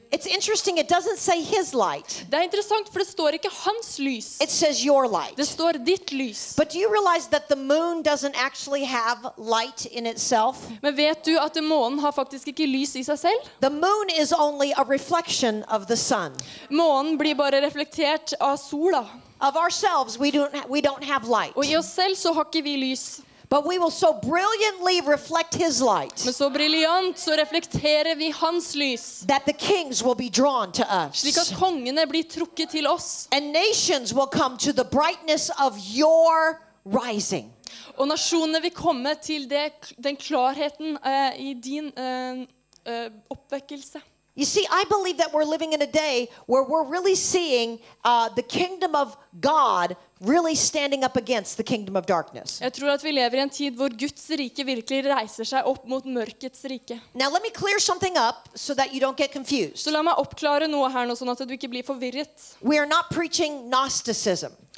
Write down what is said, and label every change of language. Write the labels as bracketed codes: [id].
[en] It's interesting, it doesn't say his light. [no] Det interessant, for det står ikke hans lys. [en] It says your light. [no] Det står ditt lys. [en] But do you realize that the moon doesn't actually have light in itself? [no] Men vet du at månen har faktisk ikke lys I seg selv? [en] The moon is only a reflection of the sun. [no] Månen blir bare reflektert av sola. [en] Of ourselves, we don't have light. [no] Og I oss selv så har ikke vi lys. [en] But we will so brilliantly reflect his light. [no] Men så briljant så reflekterer vi hans lys. [en] That the kings will be drawn to us. [no] Slik at kongene blir trukket til oss. [en] And nations will come to the brightness of your rising. [no] Og nasjonene vil komme til det, den klarheten I din oppvekkelse. [en] You see, I believe that we're living in a day where we're really seeing the kingdom of God really standing up against the kingdom of darkness. [no] Jeg tror at vi lever I en tid hvor Guds rike virkelig reiser seg opp mot mørkets rike. [en] Now let me clear something up so that you don't get confused. [no] Så la meg oppklare noe her nå sånn at du ikke blir forvirret. [en] We are not preaching Gnosticism.